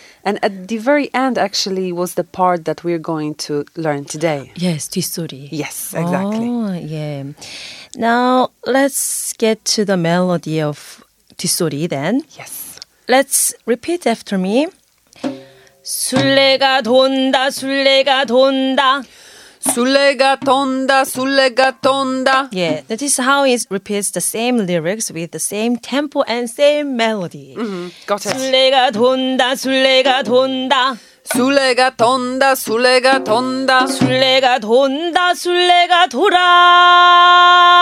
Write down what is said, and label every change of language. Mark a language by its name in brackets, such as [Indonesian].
[English] And at the very end, actually, was the part that we're going to learn today. Yes, 뒷소리. Yes, exactly. Oh, yeah. Now, let's get to the melody of 뒷소리 then. Yes. Let's repeat after me. [Korean] 술래가 돈다, 술래가 돈다. 술래가 돈다, 술래가 돈다. [English] Yeah, that is how it repeats the same lyrics with the same tempo and same melody. Mm-hmm. Got it. [Korean] 술래가 돈다, 술래가 돈다. 술래가 돈다, 술래가 돈다. 술래가 돈다, 술래가 돌아.